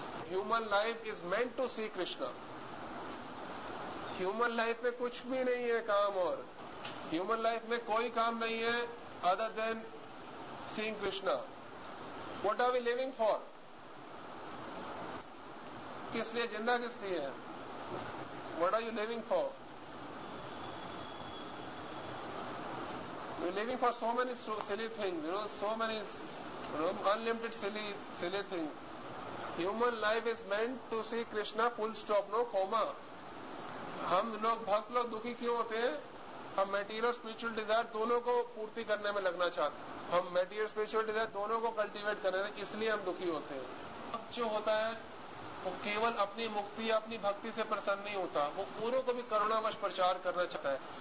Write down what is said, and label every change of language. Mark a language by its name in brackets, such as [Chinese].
[English] human life is meant to see Krishna, [Urdu] human life میں کچھ بھی نہیں ہے کام, اور ہیومن لائف میں کوئی کام نہیں ہے [English] other than seeing Krishna. What are we living for? [Urdu] کس لیے زندہ کس لیے ہے, [English] what are you living for? We're living for so many silly things, you know, so many unlimited silly things. Human life is meant to see Krishna full stop, no comma. [Urdu] ہم لوگ بھکت لوگ دکھی کیوں ہوتے ہیں, ہم میٹیریل اور spiritual Dzire دونوں کو پورتی کرنے میں لگنا چاہتے ہیں, ہم میٹیریل اسپرچل ڈیزائر دونوں کو کلٹیویٹ کرنے میں, اس لیے ہم دکھی ہوتے ہیں. اب جو ہوتا ہے وہ کیول اپنی مکتی یا اپنی بھکتی سے پرسن نہیں ہوتا, وہ اوروں کو بھی کرونا وش پرچار کرنا چاہتا ہے.